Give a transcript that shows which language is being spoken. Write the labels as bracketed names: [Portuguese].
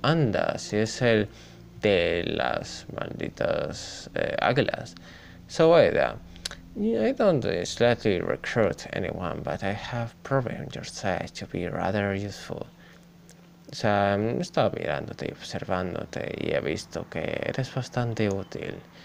[Spanish] Anda, si es el de las malditas águilas. [English] So Ada, I don't exactly recruit anyone, but I have proven your side to be rather useful. [Spanish] O sea, he estado mirándote y observándote y he visto que eres bastante útil.